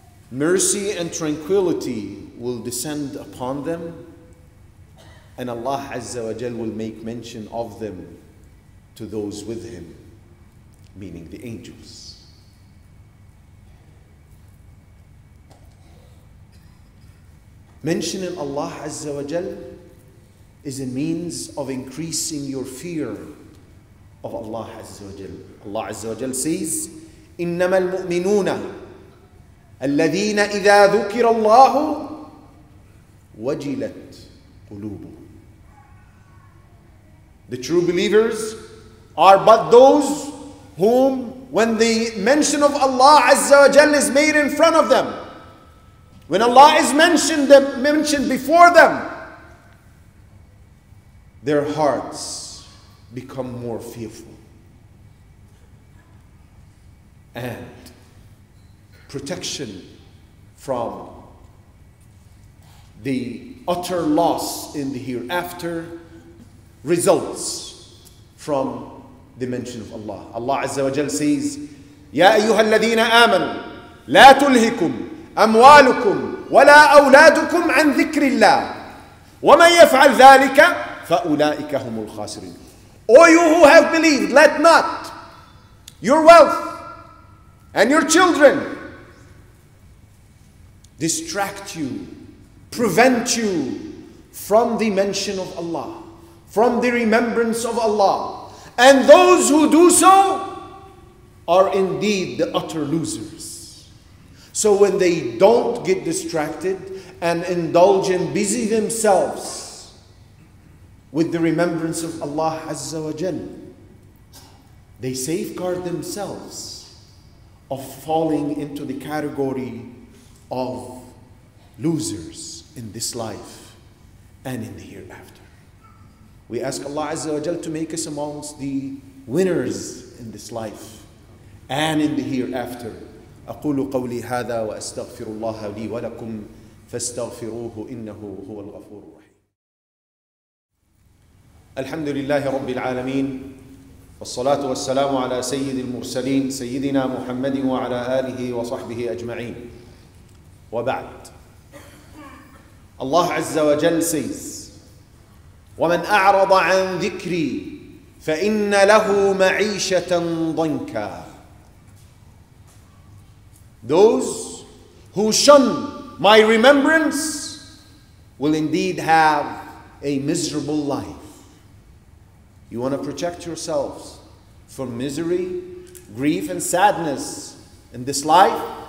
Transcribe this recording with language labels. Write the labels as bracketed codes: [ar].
[en] Mercy and tranquility will descend upon them, and Allah azza wa jalla will make mention of them to those with him, meaning the angels. Mentioning Allah Azza wa Jal is a means of increasing your fear of Allah Azza wa Jal. Allah Azza wa Jal says, [ar] إِنَّمَا الْمُؤْمِنُونَ الَّذِينَ إِذَا ذُكِرَ اللَّهُ وَجِلَتْ قُلُوبُهُ. [en] The true believers are but those whom, when the mention of Allah Azza wa Jal is made in front of them, when Allah is mentioned before them, their hearts become more fearful. And protection from the utter loss in the hereafter results from the mention of Allah. Allah Azza wa Jal says, [ar] يَا أَيُّهَا الَّذِينَ آمَنُوا لَا تُلْهِكُمْ أموالكم ولا أولادكم عن ذكر الله ومن يفعل ذلك فأولئك هم الخاسرين. [en] O you who have believed, let not your wealth and your children distract you, prevent you from the mention of Allah, from the remembrance of Allah. And those who do so are indeed the utter losers. So when they don't get distracted and indulge and busy themselves with the remembrance of Allah Azza wa Jal, they safeguard themselves of falling into the category of losers in this life and in the hereafter. We ask Allah Azza wa Jal to make us amongst the winners in this life and in the hereafter. [ar] أقول قولي هذا وأستغفر الله لي ولكم فاستغفروه إنه هو الغفور الرحيم. الحمد لله رب العالمين والصلاة والسلام على سيد المرسلين سيدنا محمد وعلى آله وصحبه أجمعين. وبعد. الله عز وجل says, ومن أعرض عن ذكري فإن له معيشة ضنكا. [en] Those who shun my remembrance will indeed have a miserable life. You want to protect yourselves from misery, grief, and sadness in this life?